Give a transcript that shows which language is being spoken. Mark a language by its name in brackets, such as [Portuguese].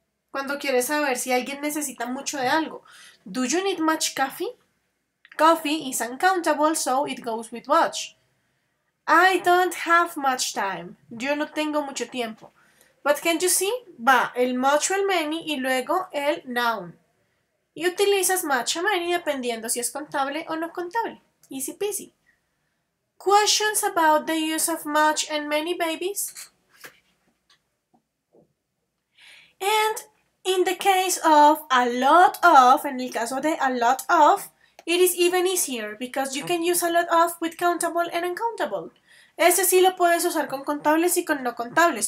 [Spanish] Cuando quieres saber si alguien necesita mucho de algo. [English] Do you need much coffee? Coffee is uncountable, so it goes with much. I don't have much time. [Spanish] Yo no tengo mucho tiempo. [English] But can't you see? [Spanish] Va el much o el many y luego el noun. Y utilizas much o many dependiendo si es contable o no contable. [English] Easy peasy. Questions about the use of much and many babies? And in the case of a lot of, [Spanish] en el caso de [English] a lot of, it is even easier because you can use a lot of with countable and uncountable. [Spanish] Ese sí lo puedes usar con contables y con no contables.